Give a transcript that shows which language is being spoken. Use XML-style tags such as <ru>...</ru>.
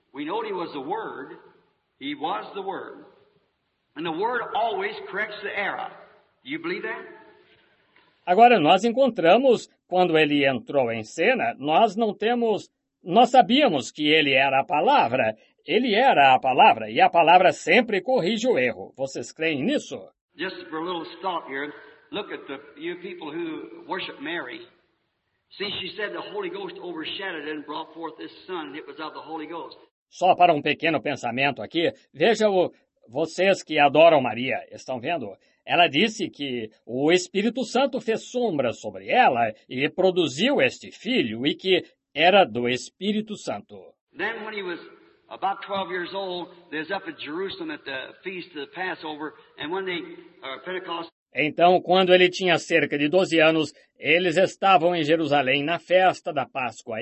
<en>We know he was the Word. He was the Word. And the Word always corrects the error. Do you believe that?</en> <pt>Agora nós encontramos, quando ele entrou em cena, nós não temos... Nós sabíamos que ele era a palavra. Ele era a palavra e a palavra sempre corrige o erro. Vocês creem nisso?</pt> <en>Just for a little thought here, look at the you people who worship Mary. See, she said the Holy Ghost overshadowed and brought forth this son, and it was of the Holy Ghost.</en> <pt>Só para um pequeno pensamento aqui, veja o vocês que adoram Maria, estão vendo? Ela disse que o Espírito Santo fez sombra sobre ela e produziu este filho e que era do Espírito Santo.</pt> <en>Then when he was about 12 years old, they was up at Jerusalem at the feast of the Passover, and when they Pentecost.</en> <pt>Então, quando ele tinha cerca de 12 anos, eles estavam em Jerusalém na festa da Páscoa.</pt>